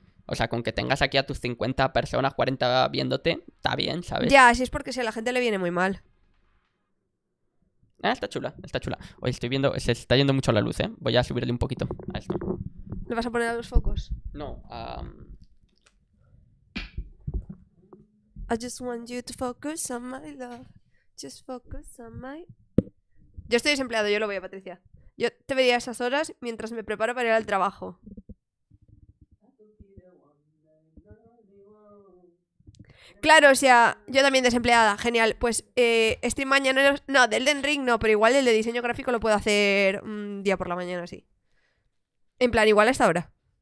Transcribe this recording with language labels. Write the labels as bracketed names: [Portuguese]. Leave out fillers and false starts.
[Spanish] O sea, con que tengas aquí a tus 50 personas, 40 viéndote, está bien, ¿sabes? Ya, si es porque si a la gente le viene muy mal. Ah, está chula, está chula. Oye, estoy viendo, se está yendo mucho la luz, ¿eh? Voy a subirle un poquito a esto. ¿Le vas a poner a los focos? No, [English] I just want you to focus on my love. Just focus on my... [Spanish] Yo estoy desempleado, yo lo voy a Patricia. Yo te vería a esas horas mientras me preparo para ir al trabajo. Claro, o sea, yo también desempleada, genial. Pues stream mañana, no, del Elden Ring no, pero igual el de diseño gráfico lo puedo hacer un día por la mañana, sí. En plan, igual a esta hora.